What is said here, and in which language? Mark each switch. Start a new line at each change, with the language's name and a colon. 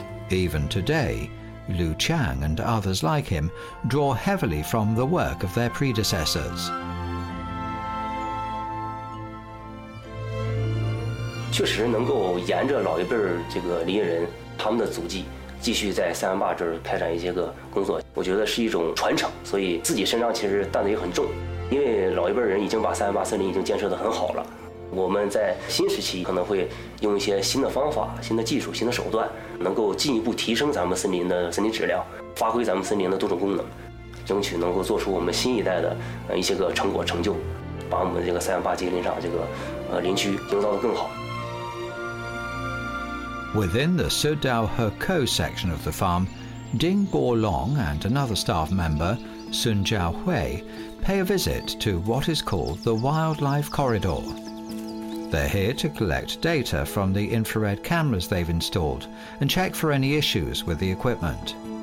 English: Even today, Liu Qiang and others like him draw heavily from the work of their predecessors.
Chinese: 确实能够沿着老一辈这个林业人他们的足迹继续在三元坝这儿开展一些个工作，我觉得是一种传承，所以自己身上其实担子也很重，因为老一辈人已经把三元坝森林已经建设得很好了。我们在新时期可能会用一些新的方法、新的技术、新的手段，能够进一步提升咱们森林的森林质量，发挥咱们森林的多种功能，争取能够做出我们新一代的一些个成果成就，把我们这个Saihanba级林场这个林区营造得更好。
English: Within the Sudao Herco section of the farm, Ding Bo Long and another staff member, Sun Jiao Hui, pay a visit to what is called the Wildlife Corridor. They're here to collect data from the infrared cameras they've installed and check for any issues with the equipment.